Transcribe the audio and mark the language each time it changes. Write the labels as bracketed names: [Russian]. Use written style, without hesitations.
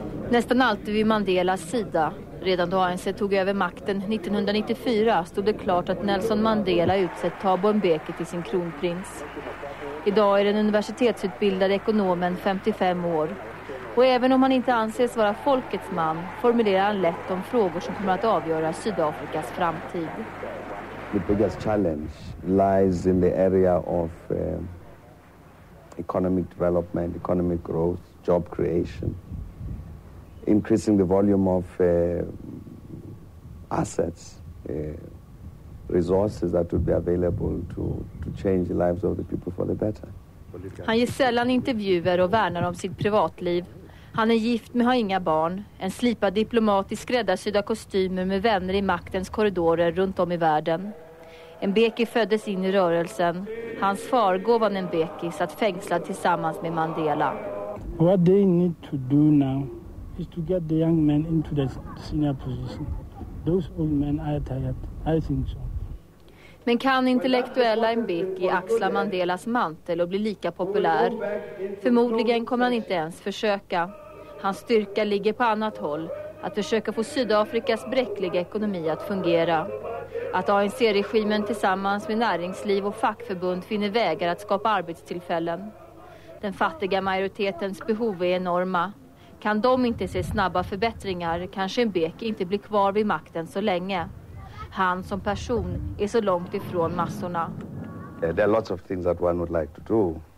[Swedish] Nästan alltid vid Mandelas sida. Redan då ANC tog över makten 1994 stod det klart att Nelson Mandela utsett Thabo Mbeki till sin kronprins. Idag är den universitetsutbildade ekonomen 55 år. Och även om han inte anses vara folkets man formulerar han lätt de frågor som kommer att avgöra Sydafrikas framtid. [English] The biggest challenge lies in the area of economic development, economic growth, job creation. Increasing the volume of assets, resources that would be available to change the lives of the people for the better. [Swedish] Han ger sällan intervjuer och värnar om sitt privatliv. Han är gift men har inga barn. En slipad diplomat i skräddarsydda kostymer med vänner i maktens korridorer runt om i världen. Mbeki föddes in i rörelsen. Hans far, Govan Mbeki, satt fängslad tillsammans med Mandela. [English] What they need to do now is to get the young men into the senior position. Those old men are tired, I think so. [Swedish] Men kan intellektuella Mbeki axla Mandelas mantel och bli lika populär? Förmodligen kommer han inte ens försöka. Hans styrka ligger på annat håll. Att försöka få Sydafrikas bräckliga ekonomi att fungera. Att ANC-regimen tillsammans med näringsliv och fackförbund finner vägar att skapa arbetstillfällen. Den fattiga majoritetens behov är enorma. Kan de inte se snabba förbättringar kanske Mbeki inte blir kvar vid makten så länge. Han som person är så långt ifrån massorna. [English] There are lots of things that one would like to do.